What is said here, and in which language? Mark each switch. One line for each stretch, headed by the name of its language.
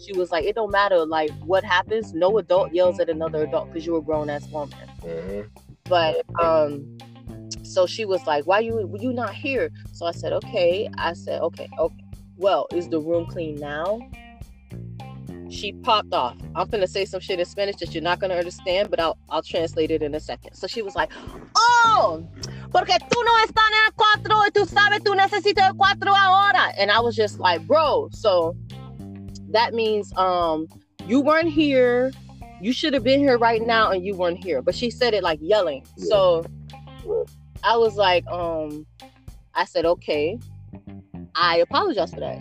English: She was like, it don't matter, like, what happens. No adult yells at another adult because you're a grown-ass woman. Mm-hmm. But so she was like, why you not here? So I said, okay. Well, is the room clean now? She popped off. I'm gonna say some shit in Spanish that you're not gonna understand, but I'll translate it in a second. So she was like, oh,
Spanish: porque tú no estás en cuatro y tú sabes tú necesitas cuatro ahora.
English: And I was just like, bro, so that means you weren't here. You should have been here right now and you weren't here. But she said it like yelling. Yeah. So I was like, I said, okay. I apologize for that.